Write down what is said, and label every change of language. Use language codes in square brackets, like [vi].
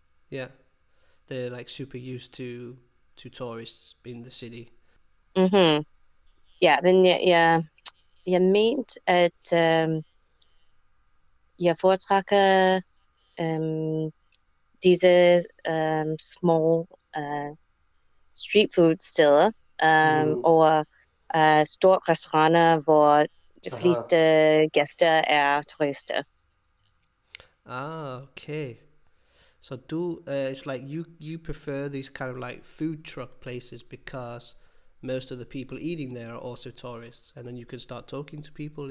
[en] Yeah, they're like super used to tourists in the city. Mhm. [da] Ja, men jeg mente at jeg foretrækker disse små street food steder og store restauranter, hvor de fleste gæster er turister. Ah, okay. [en] So do it's like you prefer these kind of like food truck places because most of the people eating there are also tourists, and then you can start talking to people.